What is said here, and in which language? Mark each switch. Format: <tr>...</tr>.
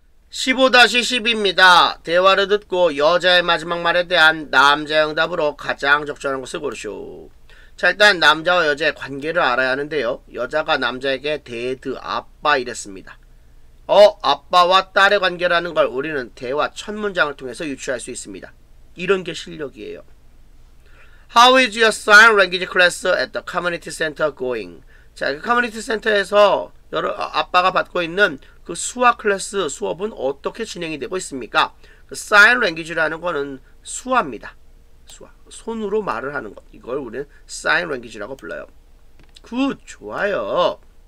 <ko>15-12입니다. 대화를 듣고 여자의 마지막 말에 대한 남자의 응답으로 가장 적절한 것을 고르시오. 자, 일단 남자와 여자의 관계를 알아야 하는데요. 여자가 남자에게 dad, 아빠 이랬습니다. 아빠와 딸의 관계라는 걸 우리는 대화 첫 문장을 통해서 유추할 수 있습니다. 이런 게 실력이에요.</ko> <en>How is your sign language class at the community center going?</en> <ko>자, 그 커뮤니티 센터에서 아빠가 받고 있는 그 수학 클래스 수업은 어떻게 진행이 되고 있습니까? 그 sign language라는 거는 수화입니다. 수화. 손으로 말을 하는 것. 이걸 우리는 sign language라고 불러요. Good. 좋아요.</ko>